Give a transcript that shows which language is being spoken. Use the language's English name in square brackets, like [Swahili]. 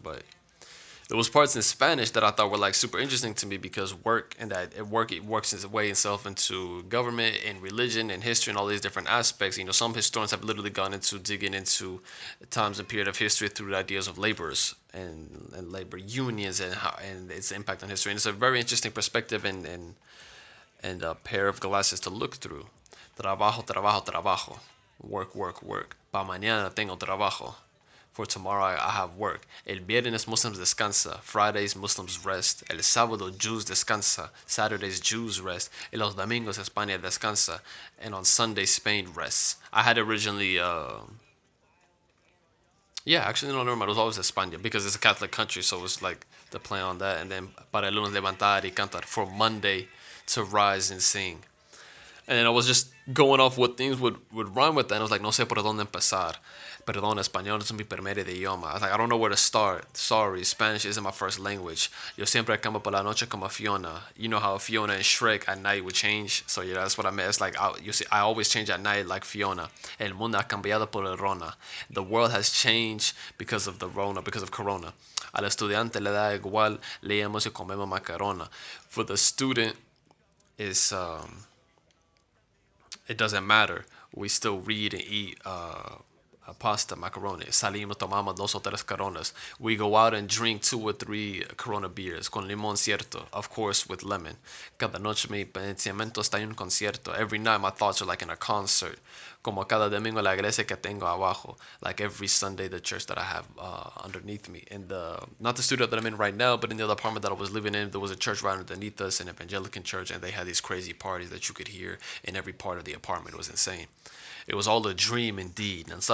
[English] But there was parts in Spanish that I thought were like super interesting to me, because work and that it works its way itself into government and religion and history and all these different aspects. You know, some historians have literally gone into digging into times and period of history through the ideas of laborers and labor unions and how, and its impact on history. And it's a very interesting perspective and a pair of glasses to look through. [Spanish] Trabajo, trabajo, trabajo. [English] Work, work, work. [Spanish] Pa mañana tengo trabajo. [English] For tomorrow I have work. [Spanish] El viernes Muslims descansa. [English] Fridays Muslims rest. [Spanish] El sábado Jews descansa. [English] Saturdays Jews rest. [Spanish] Y los domingos España descansa. [English] And on Sunday Spain rests. I had originally, never mind. It was always España because it's a Catholic country, so it was like the play on that. And then [Spanish] para el lunes levantar y cantar, [English] for Monday to rise and sing. And I was just going off what things would rhyme with that. And I was like, [Spanish] no sé por dónde empezar. Perdón, español es mi primer idioma. [English] I was like, I don't know where to start. Sorry, Spanish isn't my first language. [Spanish] Yo siempre acampo por la noche como Fiona. [English] You know how Fiona and Shrek at night would change. So yeah, that's what I meant. It's like, I always change at night like Fiona. [Spanish] El mundo ha cambiado por el Rona. [English] The world has changed because of the Rona, because of Corona. [Spanish] Al estudiante le da igual, leemos y comemos macarona. [English] For the student, it's... It doesn't matter. We still read and eat a pasta, macaroni. [Spanish] Salimos, tomamos dos o tres coronas. [English] We go out and drink two or three Corona beers. [Spanish] Con limón, cierto. [English] Of course, with lemon. [Spanish] Cada noche mi pensamiento está en un concierto. [English] Every night, my thoughts are like in a concert. [Spanish] Como cada domingo la iglesia que tengo abajo. [English] Like every Sunday, the church that I have underneath me. In the, not the studio that I'm in right now, but in the other apartment that I was living in, there was a church right underneath us, an evangelical church, and they had these crazy parties that you could hear in every part of the apartment. It was insane. It was all a dream indeed.